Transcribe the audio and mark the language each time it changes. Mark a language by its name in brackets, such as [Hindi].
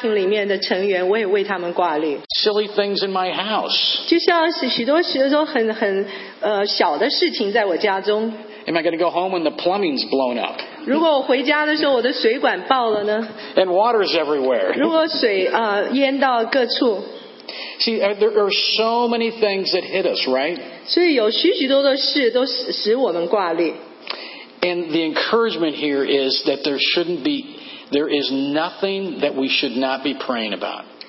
[Chinese] 我更大的家庭里面的成员，我也为他们挂虑。 [English] Silly things in my house. [Chinese] 就像许多时候很小的事情在我家中。 [English] Am I going to go home when the plumbing's blown up? [Chinese] 如果我回家的时候，我的水管爆了呢？ [English] And water's everywhere. [Chinese] 如果水淹到各处。 [English] See, there are so many things that hit us, right? [Chinese] 所以有许许多多事都使我们挂虑。 [English] And the encouragement here is that there is nothing that we should not be praying about.